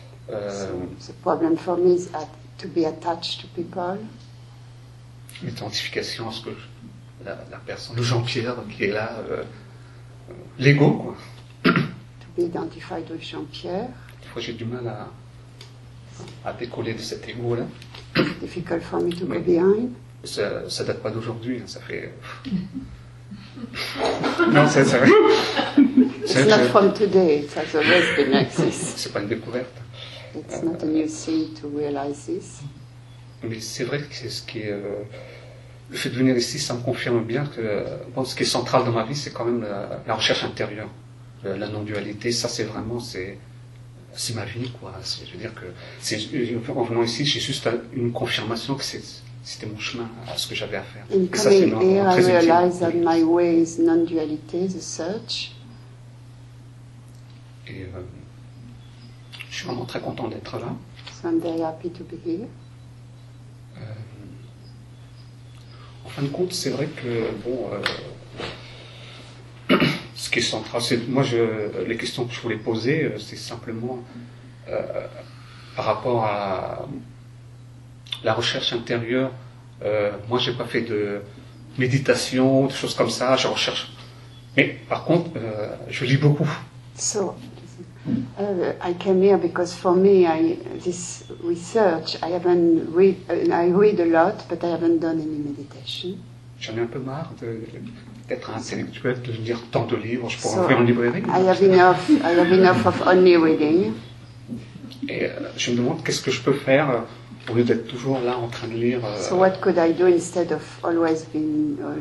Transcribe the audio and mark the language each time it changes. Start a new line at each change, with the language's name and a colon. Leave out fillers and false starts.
English: So the problem for me is to be attached to people.
French: L'identification à ce que la personne, le Jean-Pierre qui est là. L'ego, quoi.
English: To be identified with Jean-Pierre.
French: Des fois, j'ai du mal à décoller de cet ego-là.
English: It's difficult for me to go behind.
French: Ça date pas d'aujourd'hui, hein. Ça fait... non, c'est vrai.
English: It's not from today, it has always been like this.
French: C'est pas une découverte.
English: It's not a new thing to realize this.
French: Mais c'est vrai que c'est ce qui est... Le fait de venir ici, ça me confirme bien que bon, ce qui est central dans ma vie, c'est quand même la recherche intérieure, la non-dualité. Ça, c'est vraiment, c'est ma vie, quoi. C'est, je veux dire que, en venant ici, j'ai juste une confirmation que c'était mon chemin, à ce que j'avais à faire.
English: In coming here, I realize that my way is non-duality, the search.
French: Et suis vraiment très content d'être là.
English: So I'm very happy to be here.
French: En fin de compte, c'est vrai que bon, ce qui est central, c'est moi, les questions que je voulais poser, c'est simplement par rapport à la recherche intérieure. Moi, j'ai pas fait de méditation, de choses comme ça. Je recherche, mais par contre, je lis beaucoup.
English: So, I came here because for me, this research, I haven't read, I read a lot, but I haven't done any meditation.
French: J'en ai un peu marre d'être intellectuel, de lire tant de livres, je pourrais ouvrir une librairie.
English: I have enough of only reading.
French: Et je me demande qu'est-ce que je peux faire au lieu d'être toujours là en train de lire.
English: So what could I do instead of always reading?